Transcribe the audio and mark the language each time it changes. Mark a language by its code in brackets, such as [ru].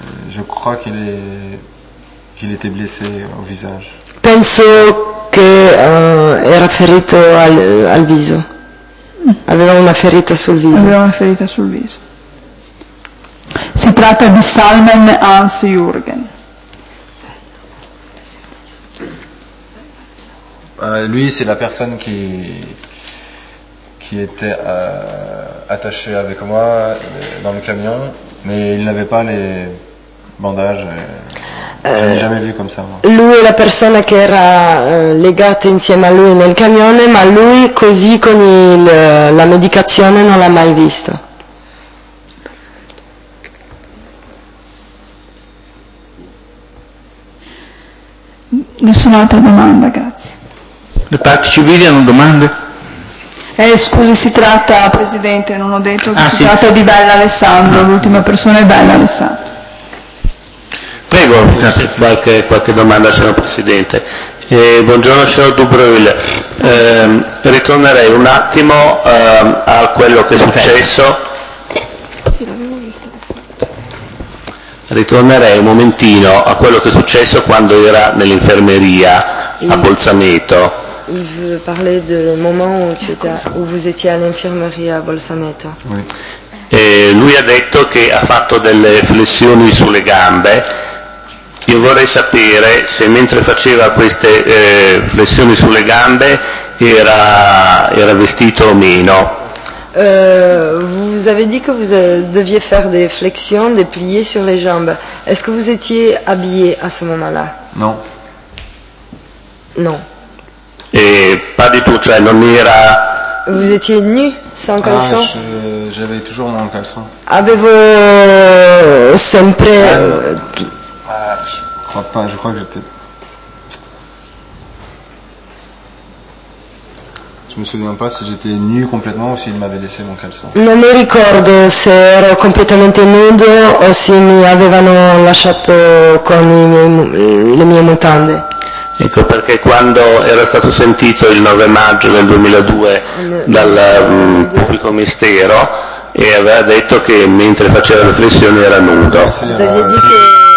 [fr] Je crois qu'il était blessé au visage. [it] Penso che era ferito al viso. Aveva una ferita sul viso. Aveva una ferita sul viso. Si tratta di Salmen Hans Jürgen. [fr] Lui, c'est la personne qui était attachée avec moi dans le camion, mais il n'avait pas les bandages. [it] Lui è la persona che era legata insieme a lui nel camion, ma lui così con la medicazione non l'ha mai visto. Nessuna altra domanda, grazie. Le parti civili hanno domande? Scusi, si tratta, Presidente, non ho detto, si tratta di Bella Alessandro, l'ultima persona è Bella Alessandro. Prego, qualche domanda, signor Presidente. Buongiorno, signor Dubreuil. Ritornerei un attimo a quello che è successo. Sì, l'avevo visto. Ritornerei un momentino a quello che è successo quando era nell'infermeria a Bolzaneto. [fr] Il veut parler [it] del momento [fr] où vous étiez [it] all'infermeria a Bolzaneto. [fr] Oui. [it] Lui ha detto che ha fatto delle flessioni sulle gambe. Io vorrei sapere se mentre faceva queste flessioni sulle gambe era vestito o meno. [fr] Vous avez dit que vous deviez faire des flexions, des pliés sur les jambes. Est-ce que vous étiez habillé à ce moment-là? Non. [it] Non. [fr] Pas du tout, [it] cioè non era. [fr] Vous étiez nu, sans caleçon? J'avais toujours mon caleçon. [it] Avevo sempre. [fr] Je crois que j'étais. Je me souviens pas si j'étais nu complètement ou s'il m'avait laissé mon caleçon. [it] Non mi ricordo se ero completamente nudo o se mi avevano lasciato con le mie mutande. Ecco, perché quando era stato sentito il 9 maggio del 2002 dal pubblico mistero e aveva detto che mentre faceva le flessioni era nudo.